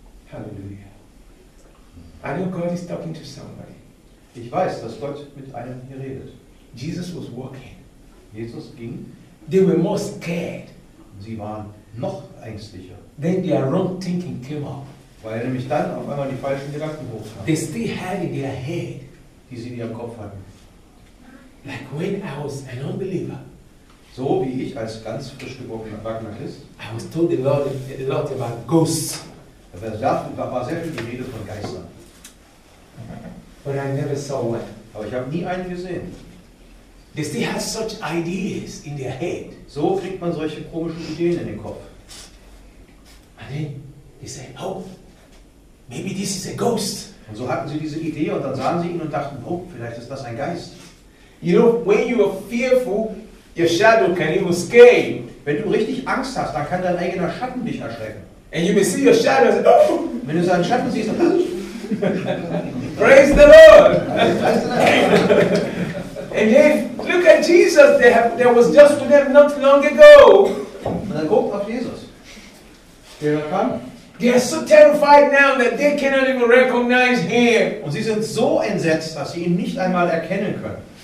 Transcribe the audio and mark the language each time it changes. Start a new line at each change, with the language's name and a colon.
English: Halleluja. I know God is talking to somebody.
German: Ich weiß, dass Gott mit einem hier redet.
English: Jesus was walking.
German: Jesus ging.
English: They were more scared.
German: Sie waren noch ängstlicher.
English: Then their wrong thinking came up.
German: Weil nämlich dann auf einmal die falschen Gedanken hochkamen.
English: They still had in their head.
German: Die sie in ihrem Kopf hatten.
English: Like when I was an unbeliever.
German: So wie ich als ganz frisch geborener Wagner ist.
English: I was told a lot about ghosts.
German: Da war sehr viel die Rede von Geistern.
English: But I never saw one.
German: Aber ich habe nie einen gesehen.
English: They still have such ideas in their head.
German: So kriegt man solche komischen Ideen in den Kopf.
English: And then they say, oh, maybe this is a ghost.
German: Und so hatten sie diese Idee und dann sahen sie ihn und dachten, oh, vielleicht ist das ein Geist.
English: You know, when you are fearful, your shadow can even scare you.
German: Wenn du richtig Angst hast, dann kann dein eigener Schatten dich erschrecken.
English: And you may see your shadow. And say, oh.
German: Wenn du seinen Schatten siehst, dann
English: praise the Lord. And then look at Jesus. There was just with them not long ago.
German: Und dann guckt auf Jesus. Der kam.
English: They are so terrified now that they cannot even recognize him.
German: Und sie sind so entsetzt, dass sie ihn nicht einmal erkennen können.